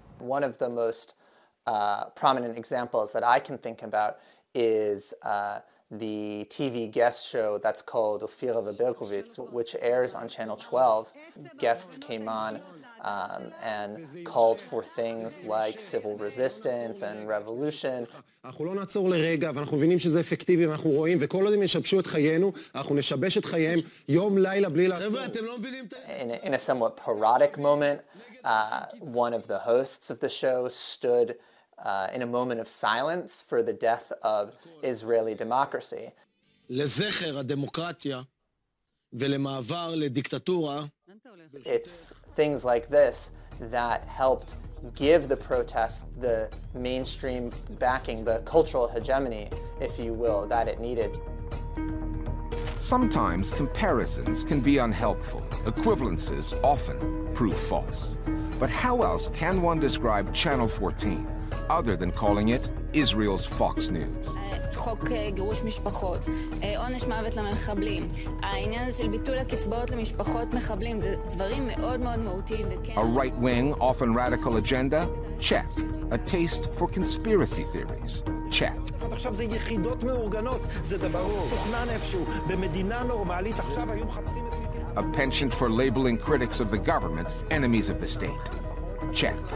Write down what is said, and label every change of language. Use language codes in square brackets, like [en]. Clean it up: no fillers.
[en] One of the most prominent examples that I can think about is the TV guest show that's called Ofira Vaberkovitz, which airs on Channel 12. Guests came on and called for things like civil resistance and revolution. [he] אנחנו לא נעצור לרגע, ואנחנו מבינים שזה אפקטיבי, ואנחנו רואים, וכל עוד הם ישבשו את חיינו, אנחנו נשבש את חיים יום לילה בלי לעצור. חבר'ה, אתם לא מבינים את... [en] In a somewhat parodic moment, one of the hosts of the show stood in a moment of silence for the death of Israeli democracy. [he] לזכר הדמוקרטיה ולמעבר לדיקטטורה. [en] It's things like this that helped give the protest the mainstream backing, the cultural hegemony, if you will, that it needed. Sometimes comparisons can be unhelpful. Equivalences often prove false. But how else can one describe Channel 14, other than calling it Israel's Fox News? [he] חוק גירוש משפחות, עונש מוות למחבלים, העניין הזה של ביטול הקצבאות למשפחות מחבלים, זה דברים מאוד מאוד מהותיים. [en] A right-wing, often radical agenda? Check. A taste for conspiracy theories? Check. [he] עכשיו זה יחידות מאורגנות, זה דבר תוכנן איפשהו, במדינה נורמלית, עכשיו היו מחפשים את... [en] A penchant for labeling critics of the government enemies of the state. Check.